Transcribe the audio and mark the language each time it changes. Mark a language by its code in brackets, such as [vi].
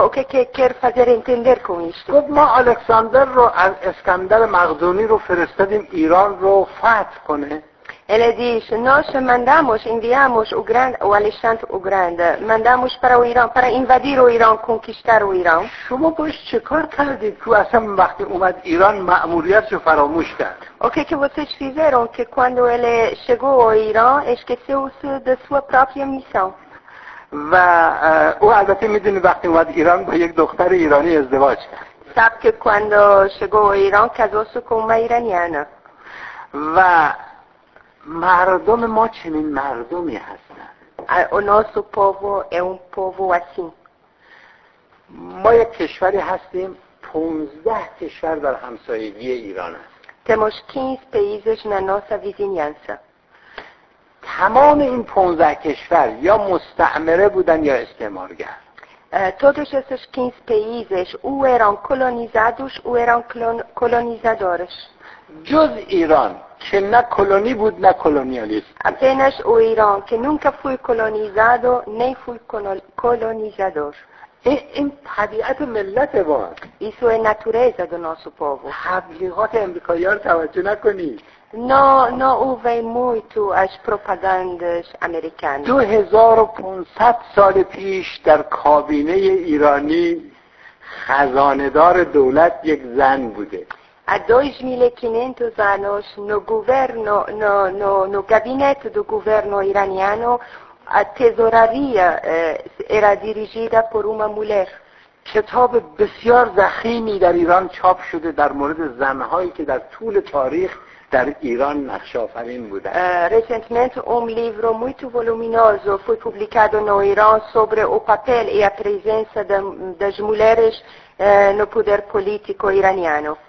[pt] O que quer fazer entender com isto? Nós, [fa] Alexander, o Iskandar Magduni, o فرستادیم ایران رو فتح کنه. [pt] Ele diz, nós mandamos, enviamos o grande, o Alexandre o Grande, mandamos para o Irã, para invadir o Irã, conquistar o Irã. [fa] شما باش چه کار کردید که اصلا وقتی اومد ایران مأموریت رو فراموش کرد؟ [pt] O que vocês fizeram que quando ele chegou ao Irã, esqueceu-se da sua própria missão? [fa] و او البته میدونی وقتی اومد ایران با یک دختر ایرانی ازدواج کرد. [pt] Sabe que quando chegou ao Irã, casou-se com uma iraniana. [fa] و مردم ما چنین مردمی هستن. [pt] O nosso povo é povo assim. [fa] ما یک کشوری هستیم 15 کشور در همسایگی ایران هست. [pt] Temos 15 países na nossa vizinhança. [fa] تمام این 15 کشور یا مستعمره بودن یا استعمارگر. [pt] Todos esses 15 países ou eram colonizados ou eram colonizadores. [fa] جز ایران که نه کلونی بود نه کلونیالیست. [pt] Apenas o Irã que nunca foi colonizado nem foi colonizador. [fa] این طبیعت ملت ما. [pt] Isso é natureza do nosso povo. [fa] تبلیغات امریکایی رو توجه نکنید. [pt] Não ouvem muito as propagandas americanas. [fa] 2500 سال پیش در کابینه ایرانی خزانه‌دار دولت یک زن بوده. [pt] Há 2500 anos no governo no gabinete do governo iraniano a tesouraria era dirigida por uma mulher. [fa] کتاب بسیار ضخیمی در ایران چاپ شده در مورد زنهایی که در طول تاریخ در ایران نقش آفرین بوده. [pt] Recentemente um livro muito voluminoso foi publicado no Irã sobre o papel e a presença das mulheres no poder político iraniano.